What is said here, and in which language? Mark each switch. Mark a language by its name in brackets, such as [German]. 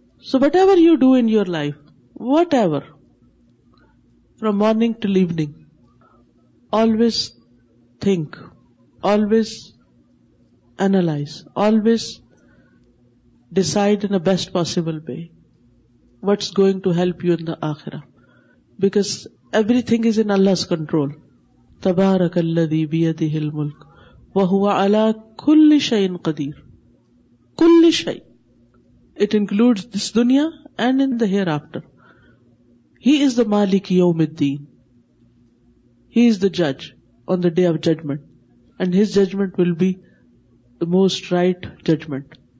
[English] So whatever you do in your life, whatever, from morning till evening, always think, always analyze, always decide in the best possible way what's going to help you in the akhirah. Because everything is in Allah's control. [Arabic] تبارك الذي بيده الملك وهو على كل شيء قدير. كل شيء. [English] It includes this dunya and in the hereafter. He is the Malik Yawm al-Din. He is the judge on the day of judgment. And his judgment will be the most right judgment.